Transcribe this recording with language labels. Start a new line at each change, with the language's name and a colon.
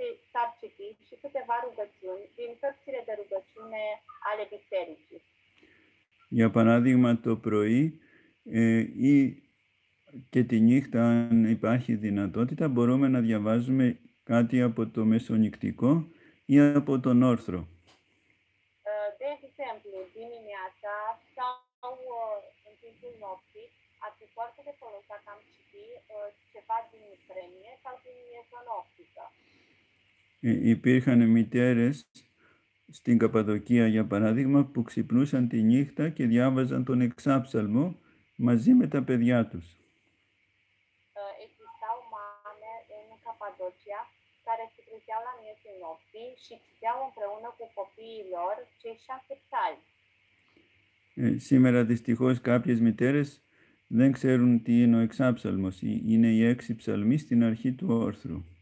Romanian: S-ar citi și câteva rugăciuni din cărțile de rugăciune ale bisericii.
Greek: Για παράδειγμα, το πρωί ή και τη νύχτα, αν υπάρχει δυνατότητα, μπορούμε να διαβάζουμε κάτι από το μεσονυκτικό ή από τον όρθρο.
Romanian: De exemplu, dimineața sau în timpul nopții, ar fi foarte de folos dacă am citi ceva din vremie sau din mesonoptică.
Greek: Υπήρχαν μητέρες στην Καπαδοκία, για παράδειγμα, που ξυπνούσαν τη νύχτα και διάβαζαν τον εξάψαλμο μαζί με τα παιδιά τους.
Romanian: Εξιστάω μάμε
Greek: στην
Romanian: Καπαδοκία, care se trezeau la miezul nopții și citeau împreună cu copiii lor cei șase psalmi.
Greek: Σήμερα δυστυχώς κάποιες μητέρες δεν ξέρουν τι είναι ο εξάψαλμος. Είναι οι έξι ψαλμοί στην αρχή του όρθρου.